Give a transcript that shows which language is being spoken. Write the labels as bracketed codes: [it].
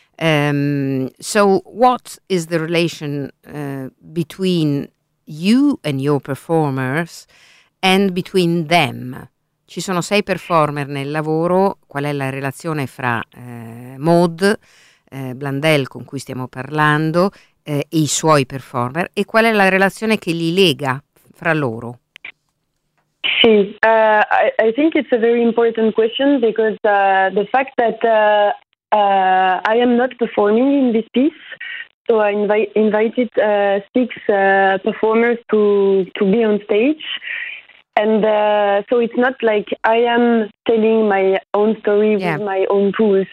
[en] So what is the relation between you and your performers and between them? [it] Ci sono sei performer nel lavoro, qual è la relazione fra Maud, Blundell con cui stiamo parlando, e i suoi performer, e qual è la relazione che li lega fra loro? [en] Sì, I think it's a very important question because the fact that I am not performing in this piece, so I invited six performers to be on stage. And so it's not like I am telling my own story with my own tools.